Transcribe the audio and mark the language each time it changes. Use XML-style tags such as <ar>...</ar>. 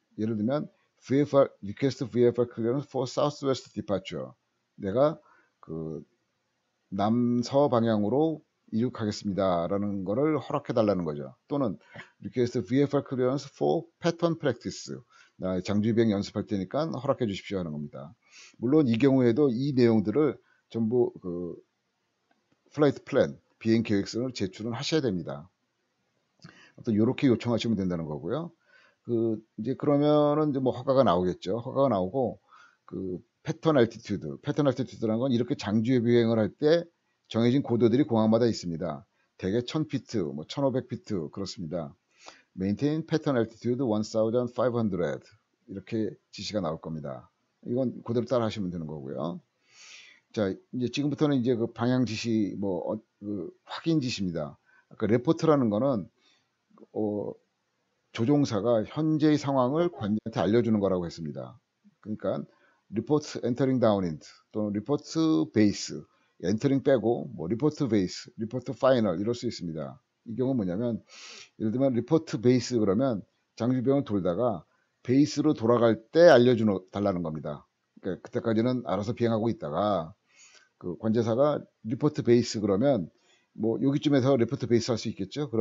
<en>예를 들면 VFR request VFR clearance for southwest departure.</en> <ko>내가 그 남서 방향으로 이륙하겠습니다라는 거를 허락해 달라는 거죠. 또는</ko> <en>request VFR clearance for pattern practice.</en> <ko>나 장주 비행 연습할 테니까 허락해 주십시오 하는 겁니다. 물론 이 경우에도 이 내용들을 전부 그 플라이트 플랜, 비행 계획서를 제출을 하셔야 됩니다. 또 이렇게 요청하시면 된다는 거고요. 이제 그러면은 이제 뭐 허가가 나오겠죠. 허가가 나오고 그 패턴 알티튜드란 건 이렇게 장주의 비행을 할때 정해진 고도들이 공항마다 있습니다. 대개 1000피트, 뭐 1500피트 그렇습니다.</ko> <en>Maintain pattern altitude 1500.</en> <ko>이렇게 지시가 나올 겁니다. 이건 그대로 따라 하시면 되는 거고요. 자, 이제 지금부터는 이제 그 방향 지시, 뭐, 확인 지시입니다. 아까 레포트라는 거는, 조종사가 현재의 상황을 관제한테 알려주는 거라고 했습니다. 그러니까,</ko> <en>report entering downwind</en> <ko>또는</ko> <en>report base,</en> <ko>entering 빼고, 뭐, report base,</ko> <en>report final</en> <ko>이럴 수 있습니다. 이 경우 뭐냐면, 예를 들면, 리포트 베이스 그러면, 장주병을 돌다가, 베이스로 돌아갈 때 달라는 겁니다. 그러니까 그때까지는 알아서 비행하고 있다가, 그 관제사가 리포트 베이스 그러면, 뭐, 여기쯤에서 리포트 베이스 할수 있겠죠?</ko>